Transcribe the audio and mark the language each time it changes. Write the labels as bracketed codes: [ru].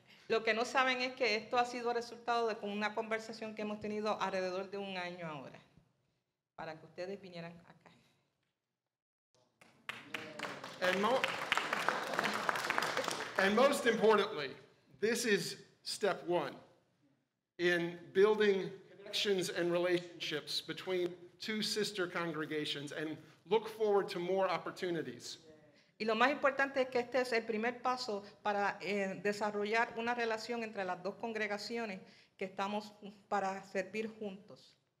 [es] Lo que no saben es que esto ha sido resultado de una conversación que hemos tenido alrededor de un año ahora, para que ustedes vinieran acá. [en] And most importantly, this is step one in building connections and relationships between two sister congregations, and look forward to more opportunities. [es] Y lo más importante es que este es el primer paso para desarrollar una relación entre las dos congregaciones que estamos para servir juntos.